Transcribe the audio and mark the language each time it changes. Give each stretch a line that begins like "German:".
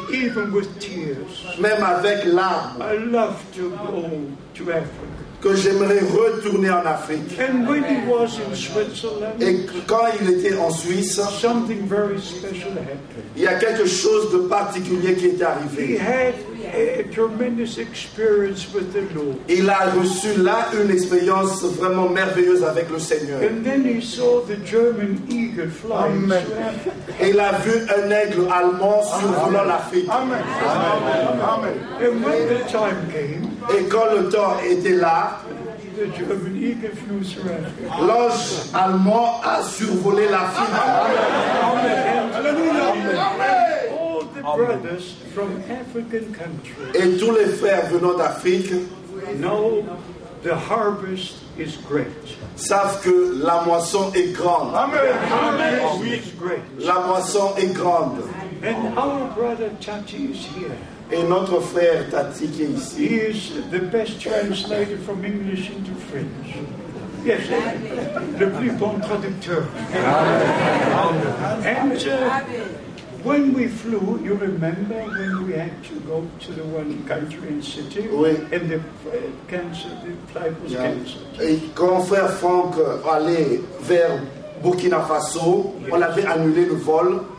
English: even with tears,
French: même avec larmes,
English: I love to go to Africa,
French: que j'aimerais retourner en Afrique.
English: And when he was in Switzerland,
French: et quand il était en Suisse,
English: something very special happened.
French: Il y a quelque chose de particulier qui est arrivé.
English: He had a tremendous experience with the Lord.
French: Il a reçu là une expérience vraiment merveilleuse avec le Seigneur.
English: And then he saw the German eagle flying. Amen.
French: Et il a vu un aigle allemand survolant l'Afrique.
English: Amen. Amen. Amen. And when the time came,
French: et quand le temps était là,
English: the German eagle flew through.
French: L'ange allemand a survolé la Finlande.
English: Brothers from African countries.
French: Et tous les frères venant d'Afrique.
English: Know the harvest is great.
French: Savent que la moisson est grande.
English: Amen. The harvest is great.
French: La moisson est grande.
English: And our brother Tati is here.
French: Et notre frère Tati qui est ici.
English: He is the best translator from English into French.
French: Yes, le plus bon traducteur.
English: Amen. When we flew, you remember when we had to go to the one country and city?
French: Oui.
English: And the cancer, the flight was canceled.
French: Et quand frère Franck allait vers Burkina Faso, yes, on avait annulé le vol.